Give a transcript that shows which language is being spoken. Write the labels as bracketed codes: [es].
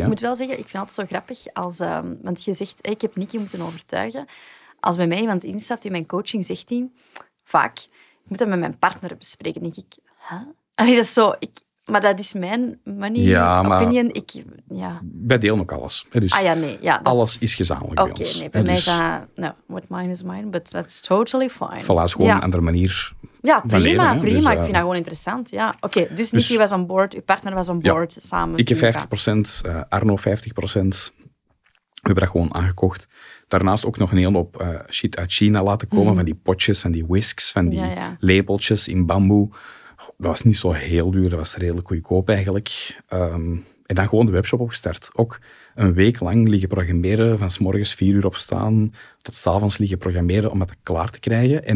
[nl] Ik moet wel zeggen, ik vind het altijd zo grappig. Want je zegt, ik heb Nicky moeten overtuigen. Als bij mij iemand instapt in mijn coaching, zegt hij vaak, ik moet dat met mijn partner bespreken. Denk ik, huh? Allee, dat is zo... Maar dat is mijn money opinion. Wij delen ook alles. Dus alles is gezamenlijk bij ons. [en] What mine is mine, but that's totally fine. [nl] Voilà, is gewoon een andere manier. Ja, prima. Dus, ik vind dat gewoon interessant. Ja. Dus Nicky was on board, uw partner was on board, samen. Ik heb 50%, Arno 50%. We hebben dat gewoon aangekocht. Daarnaast ook nog een hele hoop shit uit China laten komen. Van die potjes, van die whisks, van die lepeltjes in bamboe. Dat was niet zo heel duur, dat was redelijk goedkoop eigenlijk. En dan gewoon de webshop opgestart. Ook een week lang liggen programmeren, van 's morgens 4 uur opstaan, tot 's avonds liggen programmeren om het klaar te krijgen.